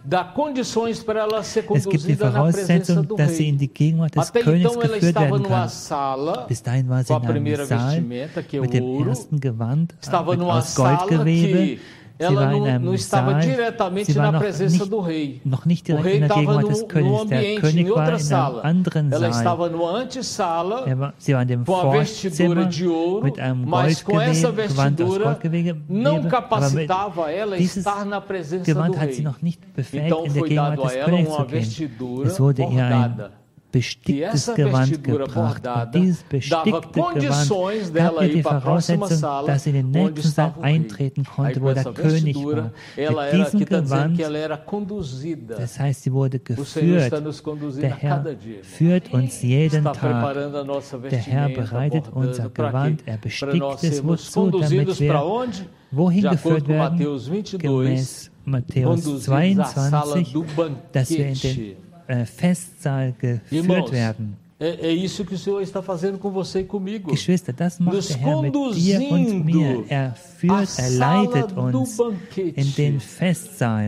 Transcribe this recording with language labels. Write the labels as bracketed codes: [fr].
[de] Es gibt die Voraussetzung, dass sie in die Gegenwart des Königs geführt werden kann. Bis dahin war sie in einem Saal mit dem ersten Gewand aus Goldgewebe. [pt] Ela não estava diretamente na presença do rei. O rei estava no ambiente, em outra sala. Ela estava numa antessala, com a vestidura de ouro, mas com essa vestidura não capacitava ela estar na presença do rei. Então foi dado a ela uma vestidura bordada. [de] Bestickten Gewand gebracht. Und dieses bestickte Gewand gab ihr die Voraussetzung, dass sie in den nächsten Saal eintreten konnte, wo der König war. Mit diesem Gewand, das heißt, sie wurde geführt. Der Herr führt uns jeden Tag. Der Herr bereitet unser Gewand, er bestickt es. Wozu? Damit wir wohin geführt werden? Gemäß Matthäus 22, dass wir in den Festsaal geführt werden. [pt] É isso que o Senhor está fazendo com você e comigo. [de] Geschwister, das macht [pt] nos [de] der Herr mit dir und mir. Er führt, er leitet uns in den Festsaal.